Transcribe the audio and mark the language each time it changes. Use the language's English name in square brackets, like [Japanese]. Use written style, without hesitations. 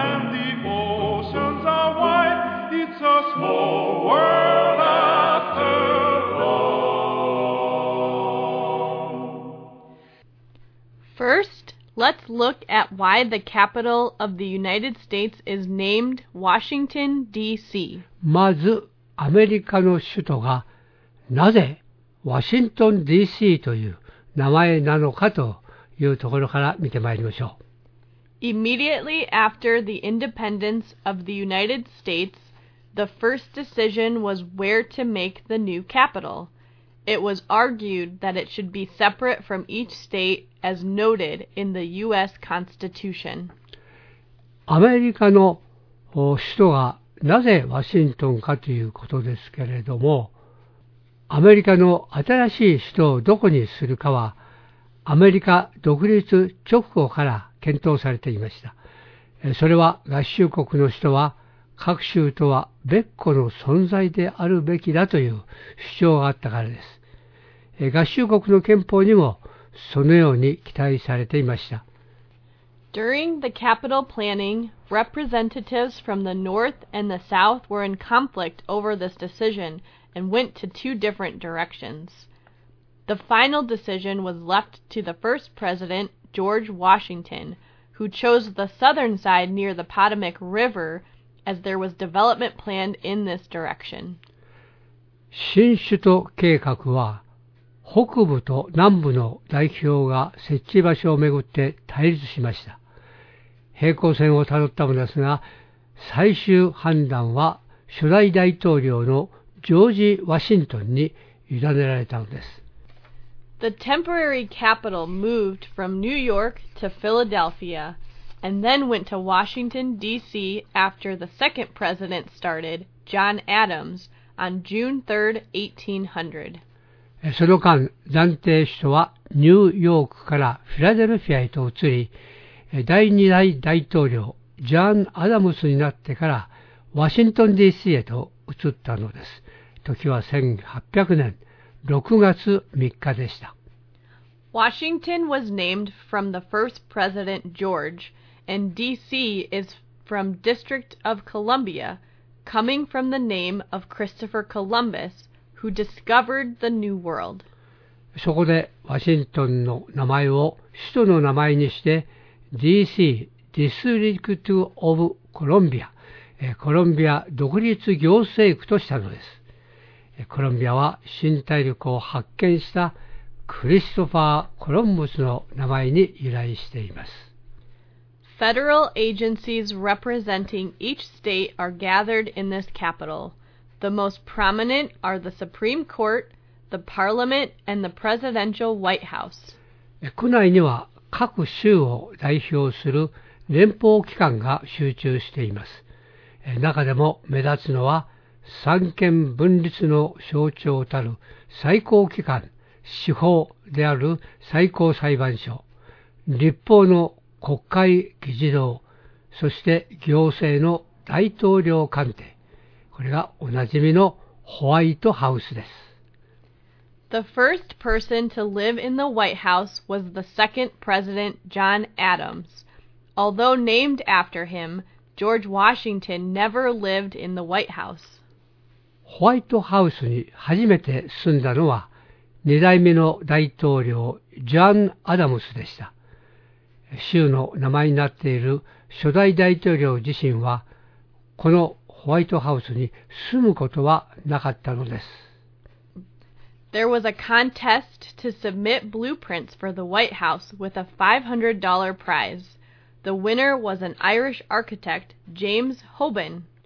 [English] and the oceans are wide, it's a small world after all. First, let's look at why the capital of the United States is named Washington, D.C. [Japanese] まずアメリカの首都がなぜワシントン DC という名前なのかというところから見てまいりましょう。 [English] Immediately after the independence of the United States, the first decision was where to make the new capital. It was argued that it should be separate from each state as noted in the U.S. Constitution. [Japanese] アメリカの首都がなぜワシントンかということですけれども、アメリカの新しい首都をどこにするかは、アメリカ独立直後から検討されていました。それは合衆国の首都は各州とは別個の存在であるべきだという主張があったからです。合衆国の憲法にもそのように期待されていました。 [English] During the capital planning, representatives from the North and the South were in conflict over this decision and went to two different directions. The final decision was left to the first president, George Washington, who chose the southern side near the Potomac River as there was development planned in this direction. [Japanese] 新首都計画は北部と南部の代表が設置場所をめぐって対立しました。平行線をたどったのですが、最終判断は初代大統領のジョージ・ワシントンに委ねられたのです。 [English] The temporary capital moved from New York to Philadelphia, and then went to Washington, D.C. after the second president started, John Adams, on June 3, 1800. [Japanese] その間、暫定首都はニューヨークからフィラデルフィアへと移り、第二代大統領ジャン・アダムスになってからワシントン D.C. へと移ったのです。時は1800年6月3日でした。 [English] Washington was named from the first president George, and D.C. is from District of Columbia, coming from the name of Christopher Columbus. Who discovered the New World. [Japanese] そこでワシントンの名前を首都の名前にして DC District of Columbia コロンビア独立行政区としたのです。コロンビアは新大陸を発見したクリストファー・コロンブスの名前に由来しています。 [English] Federal agencies representing each state are gathered in this capital. The most prominent are the Supreme Court, the Parliament, and the Presidential White House. [Japanese] 区内には各州を代表する連邦機関が集中しています。中でも目立つのは三権分立の象徴たる最高機関、司法である最高裁判所、立法の国会議事堂、そして行政の大統領官邸。これがおなじみのホワイトハウスです。 [English] The first person to live in the White House was the second president, John Adams. Although named after him, George Washington never lived in the White House. [Japanese] ホワイトハウスに初めて住んだのは、2代目の大統領、ジョン・アダムスでした。州の名前になっている初代大統領自身は、このホワイトハウスに住むことはなかったのです。 [English] There was a contest to submit blueprints for the White House with a $500 prize. The winner was an Irish architect, James Hoban.